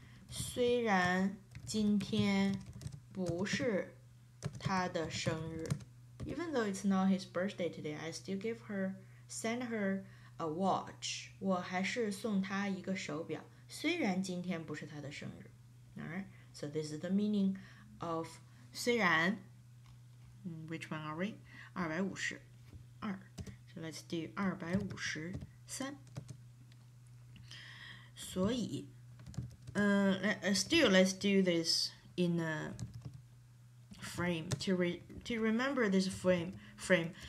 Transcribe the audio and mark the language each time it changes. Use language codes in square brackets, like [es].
[zh] 虽然今天不是他的生日。 [en] Even though it's not his birthday today, I still send her a watch. [zh] 我还是送他一个手表。虽然今天不是他的生日。 [en] Alright, so this is the meaning of 虽然。Which one are we? 250. 二, so let's do 253. 所以, still let's do this in a frame to remember this frame.